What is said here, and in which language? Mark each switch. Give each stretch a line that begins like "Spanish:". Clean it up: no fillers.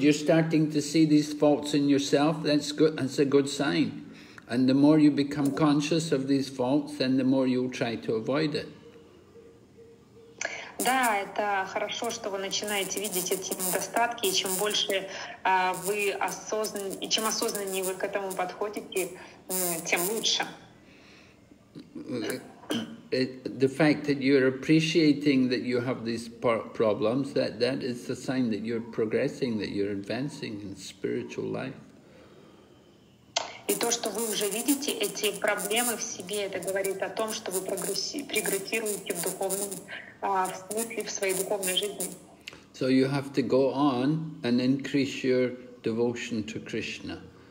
English: You're starting to see these faults in yourself. That's good. That's a good sign. And the more you become conscious of these faults, then the more you'll try to avoid it.
Russian: Да, это хорошо, что вы начинаете видеть эти недостатки, и чем больше вы осознанны, и чем осознаннее вы к этому подходите, тем лучше.
English: The fact that you're appreciating that you have these problems, that is the sign that you're progressing, that you're advancing in spiritual life.
Russian: И то, что вы уже видите эти проблемы в себе, это говорит о том, что вы прогрессируете в духовном, в смысле, в своей духовной жизни.
English: So you have to go on and increase your devotion to Krishna.